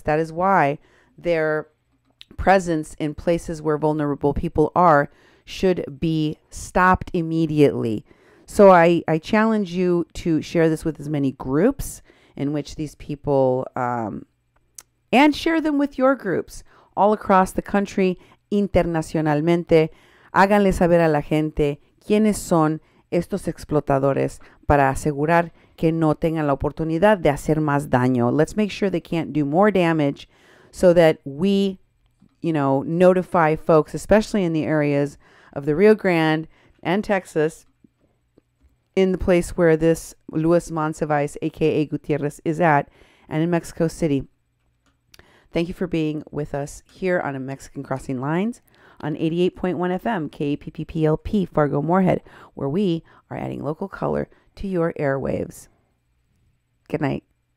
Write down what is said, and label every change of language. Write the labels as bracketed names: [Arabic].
[English] That is why their presence in places where vulnerable people are should be stopped immediately. So I challenge you to share this with as many groups in which these people, and share them with your groups all across the country, internacionalmente. [Spanish] Háganle saber a la gente quiénes son estos explotadores para asegurar que no tengan la oportunidad de hacer más daño. [English] Let's make sure they can't do more damage so that we, you know, notify folks, especially in the areas of the Rio Grande and Texas, in the place where this Luis Monsivais, a.k.a. Gutierrez, is at, and in Mexico City. Thank you for being with us here on A Mexican Crossing Lines on 88.1 FM, KPPPLP, Fargo-Moorhead, where we are adding local color to your airwaves. Good night.